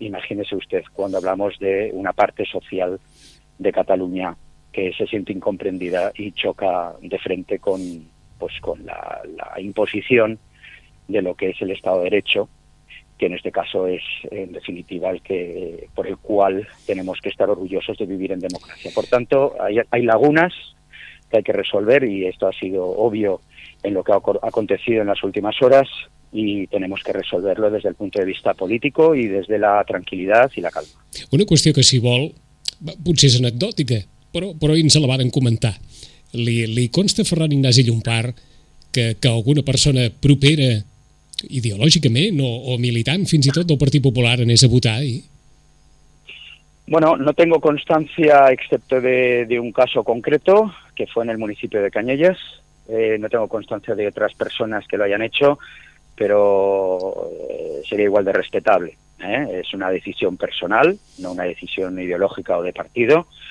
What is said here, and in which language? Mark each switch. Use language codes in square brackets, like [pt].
[es] Imagínese usted cuando hablamos de una parte social de Cataluña que se siente incomprendida y choca de frente con la imposición de lo que es el Estado de Derecho, que en este caso es, en definitiva, el que por el cual tenemos que estar orgullosos de vivir en democracia. Por tanto, hay lagunas que hay que resolver, y esto ha sido obvio en lo que ha acontecido en las últimas horas y tenemos que resolverlo desde el punto de vista político y desde la [ca] tranquil·litat i la calma. Una qüestió que, si vol, potser és anecdòtica, però ens la van comentar. Li consta, Ferran Ignasi Llompart, que alguna persona propera ideològicament o militant fins i tot del Partit Popular anés a votar ahir? [es] Bueno, no tengo constancia excepto de un caso concreto que fue en el municipio de Cañellas. No tengo constancia de otras personas que lo hayan hecho, pero sería igual de respetable. Es una decisión personal, no una decisión ideológica o de partido.